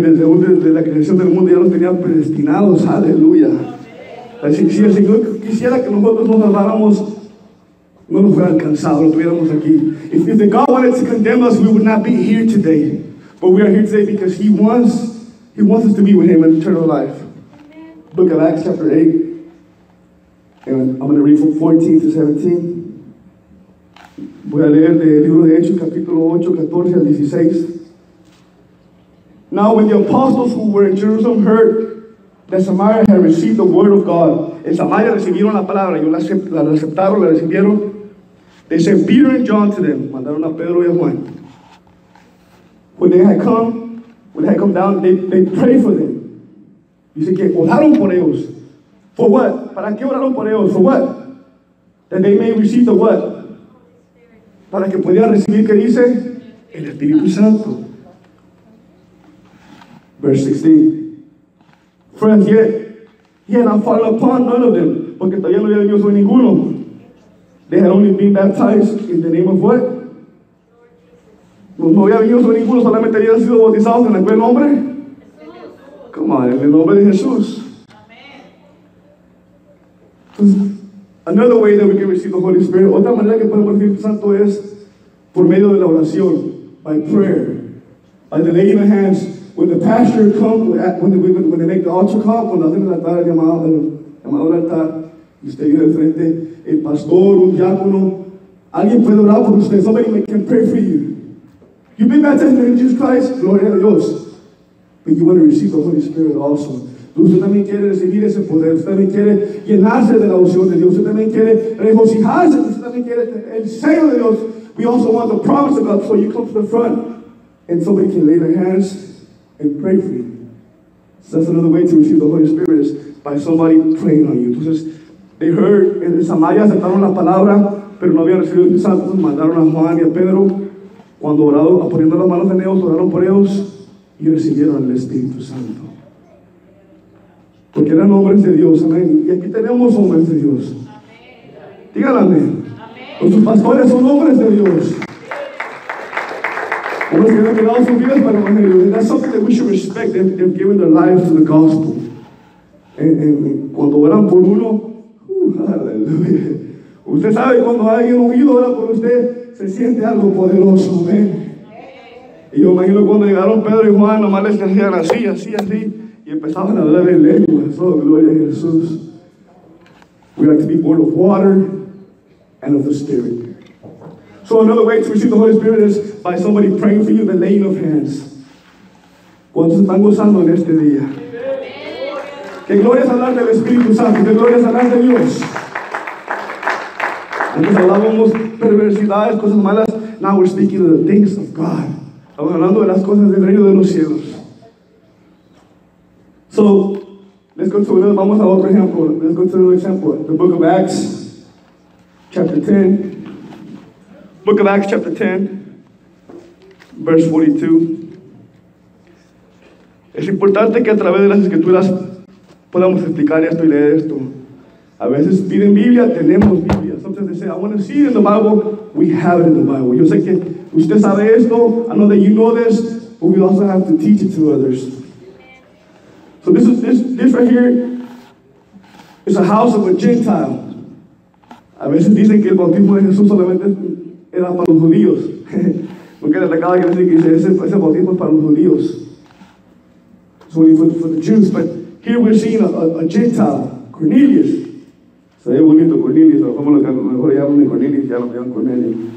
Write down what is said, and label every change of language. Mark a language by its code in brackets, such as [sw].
[es] Desde la creación del mundo ya los tenía predestinados. Aleluya. Si el Señor quisiera que nosotros nos salváramos, no nos hubiera alcanzado, no estuviéramos aquí. [en] If God wanted to condemn us, we would not be here today. But we are here today because He wants us to be with Him in eternal life. Amen. Book of Acts chapter 8. And I'm going to read from 14 to 17. [es] Voy a leer del libro de Hechos, capítulo 8, 14 al 16. [en] Now when the apostles who were in Jerusalem heard that Samaria had received the word of God. [es] En Samaria recibieron la palabra, ellos la aceptaron, la recibieron. [en] They sent Peter and John to them. [es] Mandaron a Pedro y a Juan. [en] When they had come down, they prayed for them. [es] Dice que oraron por ellos. [en] For what? [es] ¿Para qué oraron por ellos? For what? [en] That they may receive the what? [es] Para que pudieran recibir, ¿qué dice? El Espíritu Santo. [en] Verse 16. For as yet, he had not fallen upon none of them, [es] porque todavía no había venido sobre ninguno. [en] They had only been baptized in the name of what? [es] No había venido sobre ninguno, solamente habían sido bautizados en aquel nombre. [en] Come on, [es] en el nombre de Jesús. [en] Amen. Another way that we can receive the Holy Spirit, [es] otra manera que podemos recibir el Santo es por medio de la oración, [en] by prayer, by the laying of hands. When the pastor comes, when they make the altar call, [es] cuando hacen el altar, el llamado al altar, y usted viene de frente, el pastor, un diácono, alguien puede orar por usted, [en] somebody can pray for you. You've been baptized in the name of Jesus Christ, [es] gloria a Dios. [en] But you want to receive the Holy Spirit also. [es] Usted también quiere recibir ese poder, usted también quiere llenarse de la unción de Dios, usted también quiere regocijarse, usted también quiere el sello de Dios. [en] We also want the promise of God, so you come to the front, and somebody can lay their hands and pray for you. So that's another way to receive the Holy Spirit is by somebody praying on you. [es] Entonces, [en] they heard, [es] en Samaria aceptaron la palabra, pero no habían recibido el Espíritu Santo. Mandaron a Juan y a Pedro, cuando oraron, poniendo las manos en ellos, oraron por ellos y recibieron el Espíritu Santo. Porque eran hombres de Dios, amén. Y aquí tenemos hombres de Dios. Díganle amén. Nuestros pastores son hombres de Dios. Hombres que han quedado sus vidas para el Evangelio. [en] And that's something that we should respect. They've given their lives to the gospel. [es] And cuando oran por uno, aleluya. Usted sabe cuando alguien oído ora por usted, se siente algo poderoso, amén. Y yo imagino cuando llegaron Pedro y Juan, nomás les hacían así, así, así. Y empezaban a hablar en lenguas. Oh, gloria a Jesús. [en] We like to be born of water and of the Spirit. So another way to receive the Holy Spirit is by somebody praying for you, the laying of hands. [es] ¿Cuántos están gozando en este día? Que gloria es hablar del Espíritu Santo, que gloria es hablar de Dios. Antes hablábamos perversidades, cosas malas. [en] Now we're speaking of the things of God. [es] Estamos hablando de las cosas del reino de los cielos. [en] So, let's go to another, [es] vamos a otro ejemplo. [en] Let's go to another example. The book of Acts, chapter 10. Book of Acts, chapter 10, verse 42. [es] Es importante que a través de las escrituras podamos explicar esto y leer esto. A veces piden Biblia, tenemos Biblia. [en] Sometimes they say, I want to see it in the Bible. We have it in the Bible. [es] Yo sé que usted sabe esto. [en] I know that you know this. But we also have to teach it to others. So this right here is a house of a Gentile. [es] A veces dicen que el bautismo de Jesús solamente era para los judíos. Porque le acaba de decir que ese bautismo es para los judíos. [en] It's only for the Jews. But here we're seeing a Gentile, Cornelius. [es] Se ve bonito Cornelius, pero como lo que mejor llaman Cornelius, ya lo llaman Cornelio.